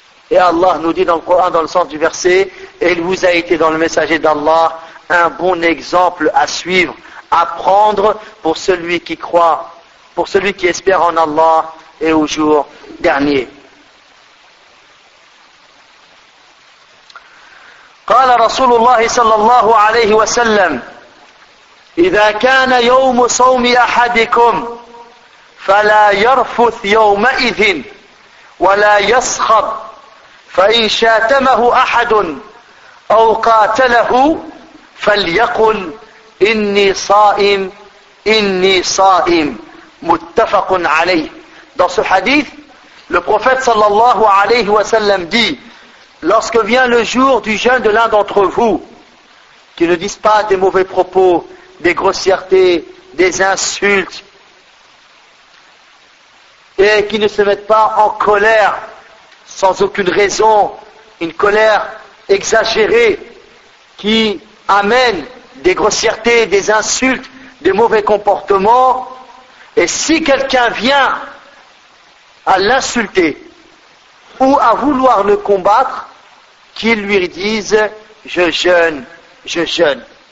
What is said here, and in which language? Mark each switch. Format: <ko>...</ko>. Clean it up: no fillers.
<fr>Et Allah nous dit dans le Coran, dans le sens du verset, et il vous a été dans le messager d'Allah un bon exemple à suivre, à prendre pour celui qui croit, pour celui qui espère en Allah et au jour dernier.</fr> <ar>قال رسول الله صلى الله عليه وسلم إذا كان يوم صوم أحدكم فلا يرفث يومئذ ولا يصخب فإن شاتمه أحد أو قاتله فليقل إني صائم إني صائم متفق عليه.</ar> <fr>Dans ce hadith, le prophète صلى الله عليه وسلم dit: lorsque vient le jour du jeûne de l'un d'entre vous, qui ne dise pas des mauvais propos, des grossièretés, des insultes, et qui ne se mette pas en colère sans aucune raison, une colère exagérée qui amène des grossièretés, des insultes, des mauvais comportements, et si quelqu'un vient à l'insulter ou à vouloir le combattre, qu'ils lui disent je jeûne, je jeûne.</fr>